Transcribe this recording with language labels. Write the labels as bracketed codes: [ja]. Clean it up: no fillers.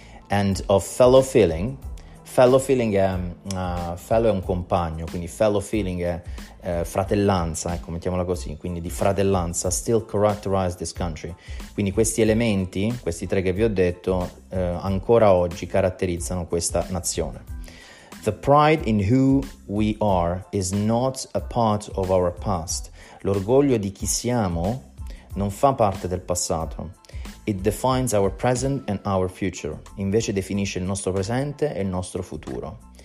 [en] And of fellow feeling [it] è fellow è un compagno, quindi fellow feeling è fratellanza, ecco, mettiamola così, quindi di fratellanza, [en] still characterize this country. [it] Quindi questi elementi, questi tre che vi ho detto, ancora oggi caratterizzano questa nazione. [en] The pride in who we are is not a part of our past. [it] L'orgoglio di chi siamo non fa parte del passato. [en] It defines our present and our future. [it] Invece definisce il nostro presente e il nostro futuro.